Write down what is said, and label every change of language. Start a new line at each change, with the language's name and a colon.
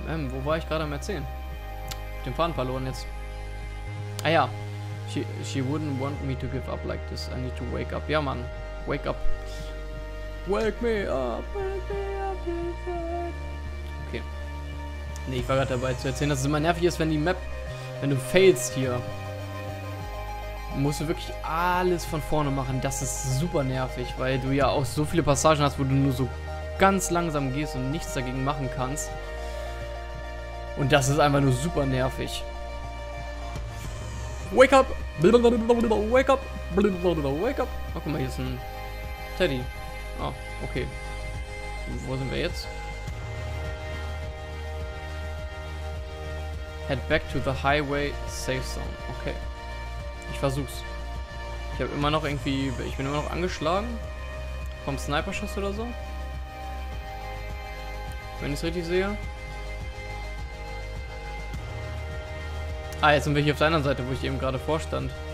German: Wo war ich gerade am Erzählen? Den Faden verloren jetzt. Ah ja,
English: she wouldn't want me to give up like this, I need to wake up.
German: Ja Mann,
English: wake up. Wake me up inside. Okay.
German: Nee, ich war gerade dabei zu erzählen, dass es immer nervig ist, wenn die Map, wenn du failst hier, musst du wirklich alles von vorne machen. Das ist super nervig, weil du ja auch so viele Passagen hast, wo du nur so ganz langsam gehst und nichts dagegen machen kannst. Und das ist einfach nur super nervig.
English: Wake up! Wake up! Wake up!
German: Oh, guck mal, hier ist ein Teddy. Ah, okay. Wo sind wir jetzt?
English: Head back to the highway safe zone.
German: Okay. Ich versuch's. Ich habe immer noch irgendwie. Ich bin immer noch angeschlagen. Vom Sniper-Schuss oder so. Wenn ich es richtig sehe. Ah, jetzt sind wir hier auf der anderen Seite, wo ich eben gerade vorstand.